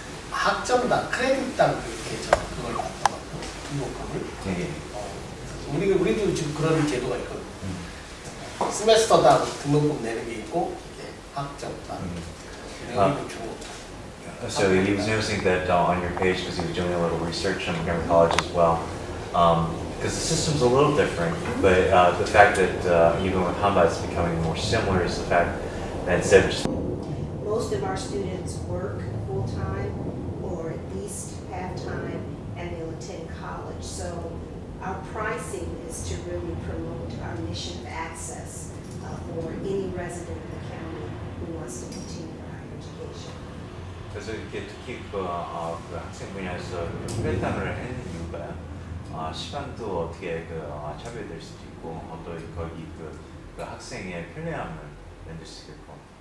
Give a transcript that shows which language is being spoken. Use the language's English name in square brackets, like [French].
[Korean] 학점당 크레딧당 이렇게 저 그걸 갖다가 등록금을 네. 우리도 지금 그런 제도가 있거든요. 스매스터당 등록금 내는 게 있고 이게 학점당 등록금 주고 [English] So he was noticing that on your page, because he was doing a little research on Montgomery College as well, because the system's a little different, but the fact that even with Hanba it's becoming more similar is the fact that instead of just... Most of our students work full-time or at least half-time and they'll attend college. So our pricing is to really promote our mission of access for any resident of the county who wants to continue their higher education. [Korean] 그래서 이렇게 특히 그 학생 분야에서 크레딧당을 했는 이유가 시간도 어떻게 그 차별될 수도 있고 또 거기 그 학생의 편리함을 만들 수 있고